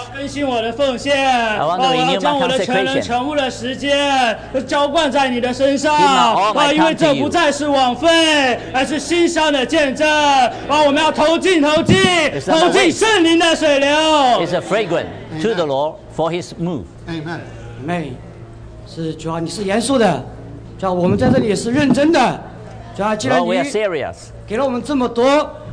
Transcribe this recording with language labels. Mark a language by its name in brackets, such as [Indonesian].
[Chinese] 更新我的奉献，我要将我的全人全部的时间浇灌在你的身上，因为这不再是枉费，而是馨香的见证。我们要投进圣灵的水流。 [English] It's a fragrant to the Lord for His move. Amen. [Chinese] 是主啊，你是严肃的，主啊，我们在这里也是认真的，主啊，既然你给了我们这么多。